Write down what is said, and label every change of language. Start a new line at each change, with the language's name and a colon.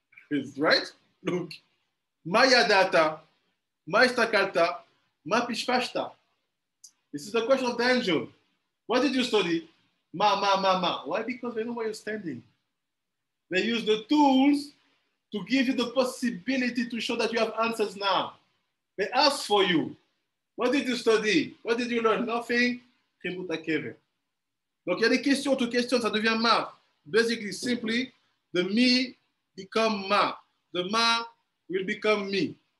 English: Is right? Look.
Hebrew: Ma yadata, ma istakalta, ma pishpashta.
English: This is the question of the angel. What did you study? Ma. Why? Because they know where you're standing. They use the tools to give you the possibility to show that you have answers now. They ask for you. What did you study? What did you learn? Nothing.
French: Donc, il y a des questions, toutes questions, ça devient ma.
English: Basically, simply, the me become ma. The ma will become me.